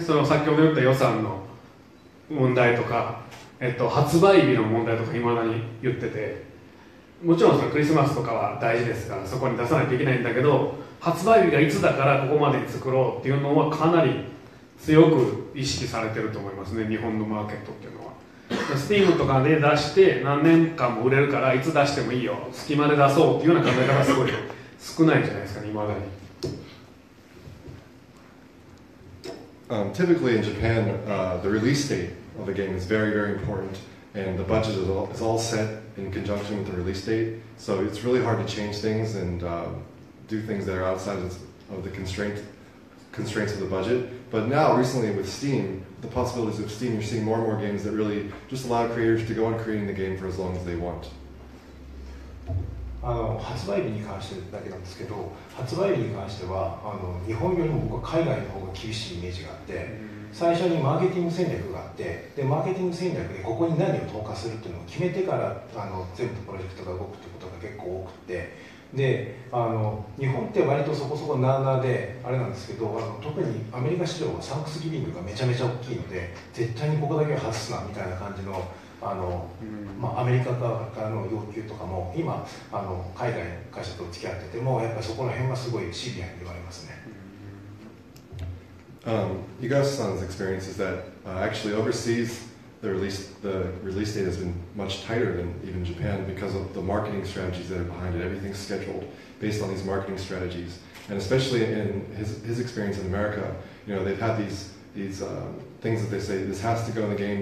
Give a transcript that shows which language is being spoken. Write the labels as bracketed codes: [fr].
[ja] その先ほど言った予算の問題とか、発売日の問題とか未だに言ってて、もちろんそのクリスマスとかは大事ですからそこに出さないといけないんだけど、発売日がいつだからここまで作ろうっていうのはかなり強く意識されてると思いますね。日本のマーケットっていうのは、Steam とかで出して何年間も売れるからいつ出してもいいよ、隙間で出そうっていうような考え方がすごい少ないんじゃないですかね、未だに。 [en] Typically in Japan, the release date of a game is very, very important, and the budget is all set in conjunction with the release date. So it's really hard to change things and do things that are outside of the constraints of the budget. But now, recently with Steam, the possibilities of Steam, you're seeing more and more games that really just allow creators to go on creating the game for as long as they want. [ja] 発売日に関してだけなんですけど、発売日に関しては日本よりも僕は海外の方が厳しいイメージがあって、最初にマーケティング戦略があって、でマーケティング戦略でここに何を投下するっていうのを決めてから全部プロジェクトが動くってことが結構多くて、で日本って割とそこそこなーなーであれなんですけど、特にアメリカ市場はサンクスギビングがめちゃめちゃ大きいので、絶対にここだけは外すなみたいな感じの、まあ、アメリカからの要求とかも今海外の会社と付き合ってても、やっぱりそこら辺はすごいシビアに言われますね。 [en] Igarashi-san's experience is that actually overseas the release date has been much tighter than even Japan because of the marketing strategies that are behind it. Everything's scheduled based on these marketing strategies, and especially in his experience in America, you know, they've had these things that they say this has to go in the game.